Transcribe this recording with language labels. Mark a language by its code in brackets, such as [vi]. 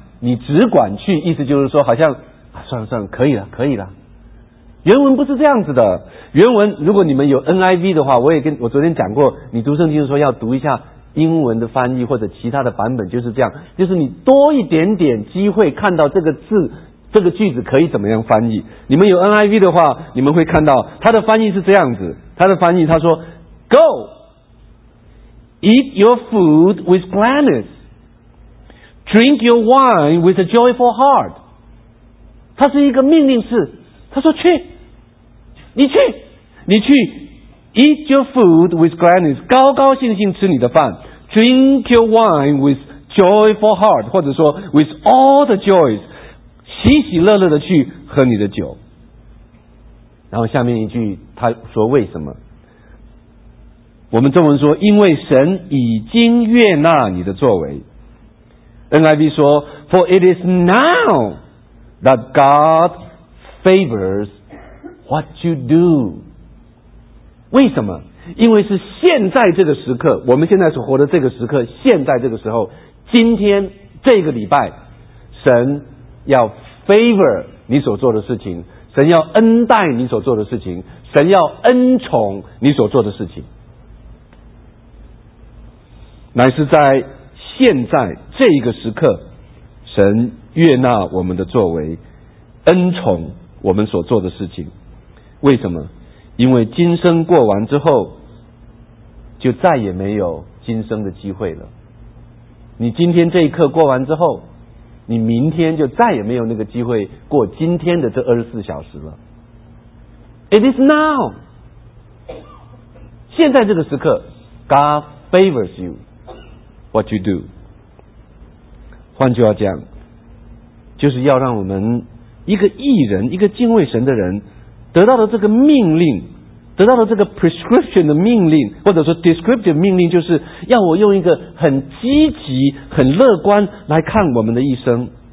[zh] 你只管去，意思就是说好像、啊、算了算了，可以了可以了。原文不是这样子的，原文如果你们有 NIV 的话，我昨天讲过，你读圣经的时候要读一下英文的翻译或者其他的版本，就是这样，就是你多一点点机会看到这个字这个句子可以怎么样翻译。你们有 NIV 的话，你们会看到它的翻译是这样子，它的翻译它说 [en] Go eat your food with gladness, drink your wine with a joyful heart。 [zh] 它是一个命令式，它说去，你去 [en] eat your food with gladness, [zh] 高高兴兴吃你的饭， [en] drink your wine with joyful heart, [zh] 或者说 [en] with all the joys, [zh] 喜喜乐乐的去喝你的酒。然后下面一句他说为什么，我们中文说因为神已经悦纳你的作为。 [en] NIV 说 For it is now that God favors what you do。 [zh] 为什么？因为是现在这个时刻，我们现在所活的这个时刻，现在这个时候，今天这个礼拜，神要favor 你所做的事情，神要恩待你所做的事情，神要恩宠你所做的事情，乃是在现在这一个时刻，神悦纳我们的作为，恩宠我们所做的事情。为什么？因为今生过完之后，就再也没有今生的机会了。你今天这一刻过完之后，你明天就再也没有那个机会过今天的这二十四小时了。 [en] It is now, [zh] 现在这个时刻， [en] God favors you what you do。 [zh] 换句话讲，就是要让我们一个义人，一个敬畏神的人，得到了这个命令，得到了这个 prescription 的命令，或者说 descriptive 命令，就是要我用一个很积极很乐观来看我们的一生。